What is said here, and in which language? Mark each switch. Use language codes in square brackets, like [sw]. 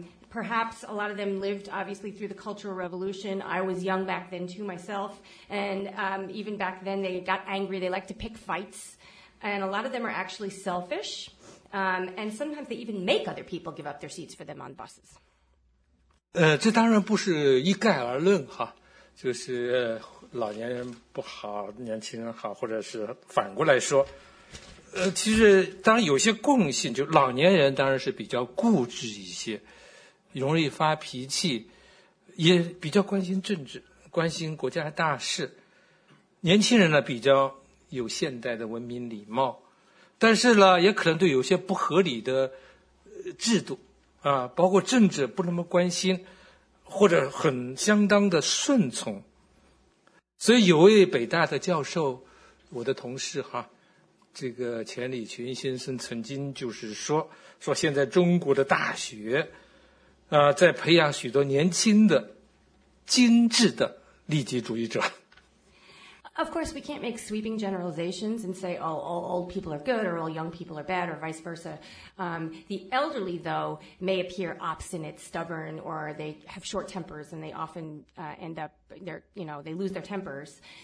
[en] Perhaps a lot of them lived, obviously, through the Cultural Revolution. I was young back then, too, myself. And even back then, they got angry. They liked to pick fights. And a lot of them are actually selfish. And sometimes they even make other people give up their seats for them on buses. [zh] 这当然不是一概而论哈，就是老年人不好，年轻人好，或者是反过来说，其实当然有些共性，就老年人当然是比较固执一些，容易发脾气，也比较关心政治，关心国家大事。年轻人呢，比较有现代的文明礼貌，但是呢，也可能对有些不合理的制度啊，包括政治不那么关心，或者很相当的顺从。所以有位北大的教授，我的同事哈，这个钱理群先生曾经就是说现在中国的大学在培养许多年轻的精致的利己主义者。 [en] Of course, we can't make sweeping generalizations and say all old people are good or all young people are bad or vice versa. The elderly, though, may appear obstinate, stubborn, or they have short tempers, and they often end up, they lose their tempers.